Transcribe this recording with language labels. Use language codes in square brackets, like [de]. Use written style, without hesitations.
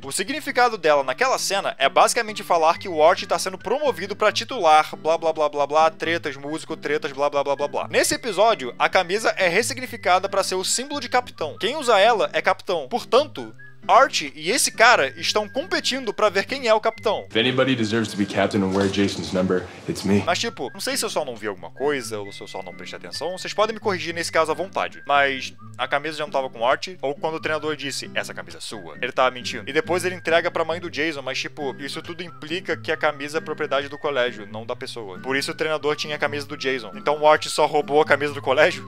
[pt] O significado dela naquela cena é basicamente falar que o Art tá sendo promovido pra titular, blá blá blá blá blá, tretas, músico, tretas, blá blá blá blá blá. Nesse episódio, a camisa é ressignificada pra ser o símbolo de capitão. Quem usa ela é capitão. Portanto, Art e esse cara estão competindo pra ver quem é o capitão. [en] If anybody deserves to be captain and wear Jason's number, it's me. [pt] Mas tipo, não sei se eu só não vi alguma coisa, ou se eu só não prestei atenção, vocês podem me corrigir nesse caso à vontade. Mas a camisa já não tava com Art, ou quando o treinador disse, essa camisa é sua, ele tava mentindo. E depois ele entrega pra mãe do Jason, mas tipo, isso tudo implica que a camisa é propriedade do colégio, não da pessoa. Por isso o treinador tinha a camisa do Jason. Então o Art só roubou a camisa do colégio?